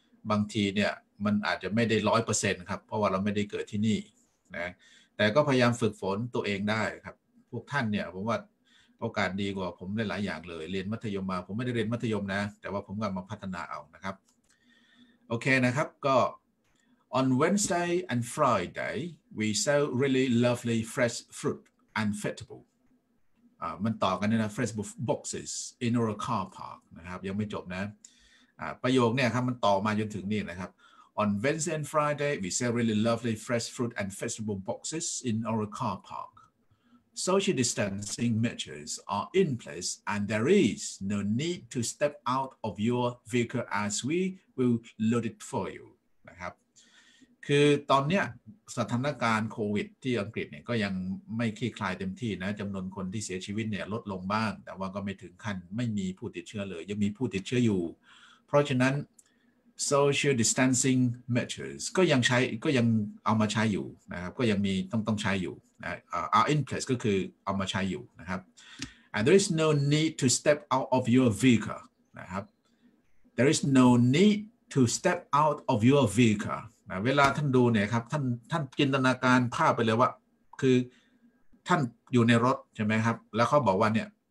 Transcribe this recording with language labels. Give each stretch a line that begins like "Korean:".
Thai: บางทีเนี่ยมันอาจจะไม่ได้ 100% ครับเพราะว่าเราไม่ได้เกิดที่นี่นะแต่ก็พยายามฝึกฝนตัวเองได้ครับพวกท่านเนี่ยผมว่าโอกาสดีกว่าผมได้หลายอย่างเลยเรียนมัธยมมาผมไม่ได้เรียนมัธยมนะแต่ว่าผมก็มาพัฒนาเอานะครับโอเคนะครับก็
English: On Wednesday and Friday we sell really lovely fresh fruit and vegetable
Thai: มันต่อกันนะ
English: fresh boxes in our car park
Thai: นะครับยังไม่จบนะประโยคเนี่ยครับมันต่อมาจนถึงนี่นะครับ
English: On Wednesday and Friday, we sell really lovely fresh fruit and vegetable boxes in our car park. Social distancing measures are in place and there is no need to step out of your vehicle as we will load it for you.
Thai: นะครับคือตอนเนี้ยสถานการณ์โควิดที่อังกฤษเนี่ยก็ยังไม่คลี่คลายเต็มที่นะจำนวนคนที่เสียชีวิตเนี่ยลดลงบ้างแต่ว่าก็ไม่ถึงขั้นไม่มีผู้ติดเชื้อเลยยังมีผู้ติดเชื้ออยู่เพราะฉะนั้น
English: Social distancing measures
Thai: ก็ยังเอามาใช้อยู่นะครับก็ยังมีต้องใช้อยู่นะ
English: are in place
Thai: ก็คือเอามาใช้อยู่นะครับ
English: and there is no need to step out of your vehicle
Thai: นะครับ
English: there is no need to step out of your vehicle
Thai: นะเวลาท่านดูเนี่ยครับท่านจินตนาการภาพไปเลยว่าคือท่านอยู่ในรถใช่ไหมครับแล้วเขาบอกว่าเนี่ย